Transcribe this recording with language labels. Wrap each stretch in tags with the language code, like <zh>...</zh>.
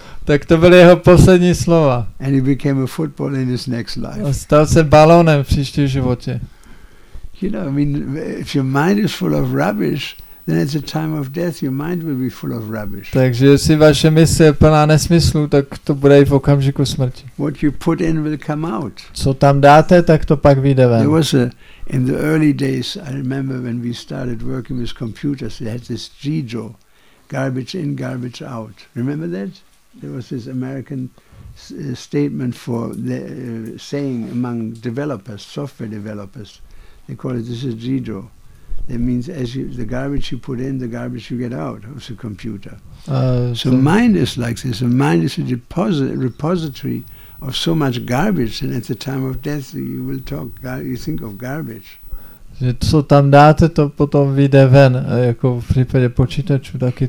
<cs>Tak to byly jeho poslední slova.</cs> <en>And he became a football in his next life.</en> <cs>A stal se balónem v příštím životě.</cs> <en>You know, I mean, if your mind is full of rubbish, then at the time of death your mind will be full of rubbish.</en> <cs>Takže jestli vaše mysl je plná nesmyslu, tak to bude i v okamžiku smrti.</cs> <en>What you put in will come out.</en> <cs>Co tam dáte, tak to pak vyjde ven.</cs> <en>There was in the early days, I remember when we started working with computers, they had this GIGO, garbage in, garbage out. Remember that? There was this American statement for the saying among developers, software developers. They call it, this is GIGO. That means as you, the garbage you put in, the garbage you get out of the computer. So mind is like this. A mind is a repository of so much garbage, and at the time of death you will talk, you think of garbage.</en> <cs>Že co tam dáte, to potom vyjde ven, jako v případě počítačů taky.</cs>